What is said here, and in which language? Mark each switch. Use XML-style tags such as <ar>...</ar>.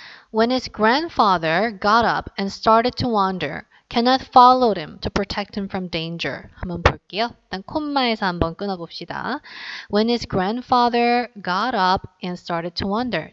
<en>When his grandfather got up and started to wander, Kenneth followed him to protect him from danger.</en> <ko>한번 볼게요. 일단 콤마에서 한번 끊어봅시다.</ko> <en>When his grandfather got up and started to wander.</en>